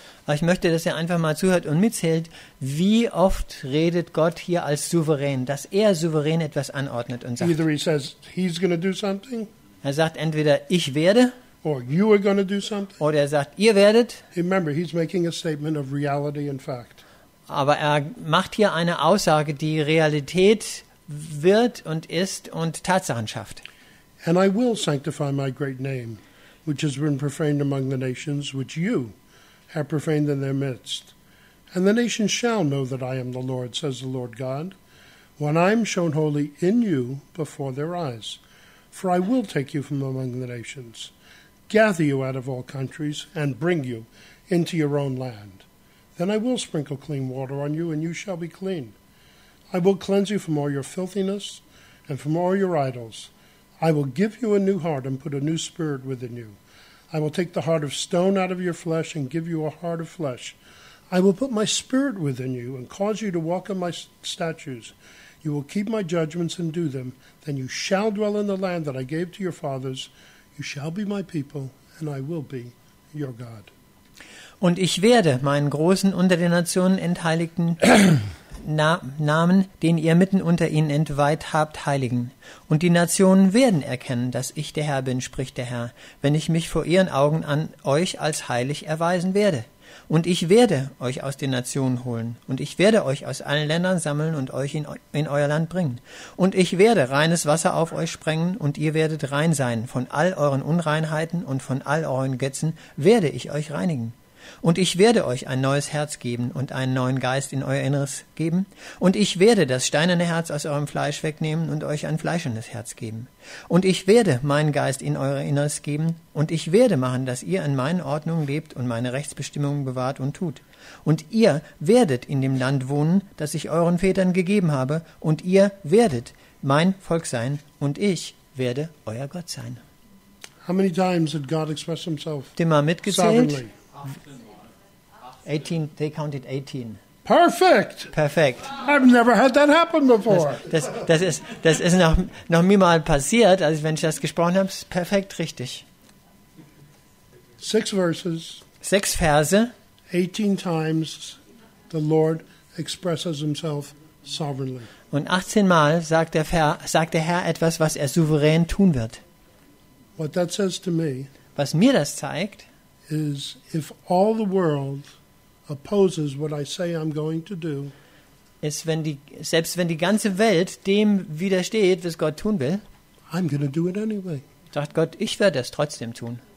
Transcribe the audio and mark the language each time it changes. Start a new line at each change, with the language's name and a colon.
German: Aber ich möchte, dass ihr einfach mal zuhört und mitzählt, wie oft redet Gott hier als souverän, dass er souverän etwas anordnet und sagt.
English: Either he says, he's gonna do something.
German: Er sagt entweder, ich werde.
English: Or you are gonna do something.
German: Oder er sagt, ihr werdet.
English: Remember, he's making a statement of reality and fact.
German: Aber er macht hier eine Aussage, die Realität wird und ist und Tatsachen schafft.
English: And I will sanctify my great name, which has been profaned among the nations, which you have profaned in their midst. And the nations shall know that I am the Lord, says the Lord God, when I am shown holy in you before their eyes. For I will take you from among the nations, gather you out of all countries, and bring you into your own land. Then I will sprinkle clean water on you, and you shall be clean. I will cleanse you from all your filthiness and from all your idols. I will give you a new heart and put a new spirit within you. I will take the heart of stone out of your flesh and give you a heart of flesh. I will put my spirit within you and cause you to walk in my statutes. You will keep my judgments and do them. Then you shall dwell in the land that I gave to your fathers. You shall be my people, and I will be your God.
German: Und ich werde meinen großen unter den Nationen entheiligten Namen, den ihr mitten unter ihnen entweiht habt, heiligen. Und die Nationen werden erkennen, dass ich der Herr bin, spricht der Herr, wenn ich mich vor ihren Augen an euch als heilig erweisen werde. Und ich werde euch aus den Nationen holen, und ich werde euch aus allen Ländern sammeln und euch in euer Land bringen. Und ich werde reines Wasser auf euch sprengen, und ihr werdet rein sein. Von all euren Unreinheiten und von all euren Götzen werde ich euch reinigen. Und ich werde euch ein neues Herz geben und einen neuen Geist in euer Inneres geben. Und ich werde das steinerne Herz aus eurem Fleisch wegnehmen und euch ein fleischernes Herz geben. Und ich werde meinen Geist in euer Inneres geben. Und ich werde machen, dass ihr in meinen Ordnungen lebt und meine Rechtsbestimmungen bewahrt und tut. Und ihr werdet in dem Land wohnen, das ich euren Vätern gegeben habe. Und ihr werdet mein Volk sein und ich werde euer Gott sein.
English: How many times did God express himself?
German: Immer mitgezählt.
English: 18, they counted 18. Perfect.
German: Perfekt.
English: I've never had that happen before.
German: Das ist noch nie mal passiert, also wenn ich das gesprochen habe, ist perfekt richtig.
English: 6 verses.
German: 6 Verse.
English: 18 times the Lord expresses himself sovereignly.
German: Und 18 Mal sagt der Herr etwas, was er souverän tun wird.
English: What that says to me,
German: was mir das zeigt,
English: is if all the world opposes what I say I'm going to do,
German: ist selbst wenn die ganze Welt dem widersteht, was Gott tun will,
English: I'm going to do it anyway.
German: Sagt Gott, ich werde es trotzdem tun.